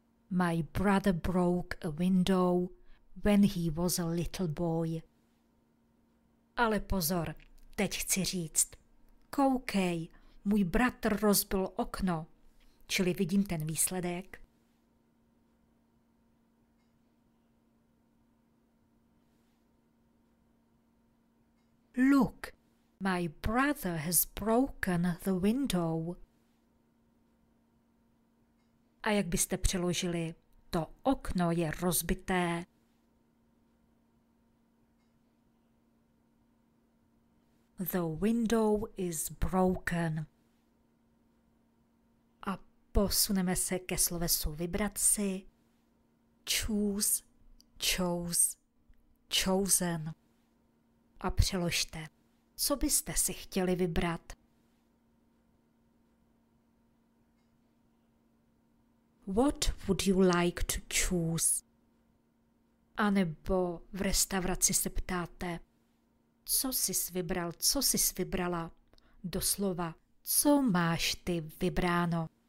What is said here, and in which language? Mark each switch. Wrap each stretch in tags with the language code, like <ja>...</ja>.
<en>My brother broke a window when he was a little boy.</en> <cs>Ale pozor, teď chci říct. Koukej, můj bratr rozbil okno. Čili vidím ten výsledek.</cs> <en>Look, my brother has broken the window.</en> <cs>A jak byste přeložili, to okno je rozbité.</cs> <en>The window is broken.</en> <cs>A posuneme se ke slovesu vybrat si.</cs> <en>Choose, chose, chosen.</en> <cs>A přeložte, co byste si chtěli vybrat?</cs> <en>What would you like to choose?</en> <cs>Anebo v restauraci se ptáte, co jsi vybral, co jsi vybrala, doslova, co máš ty vybráno.</cs>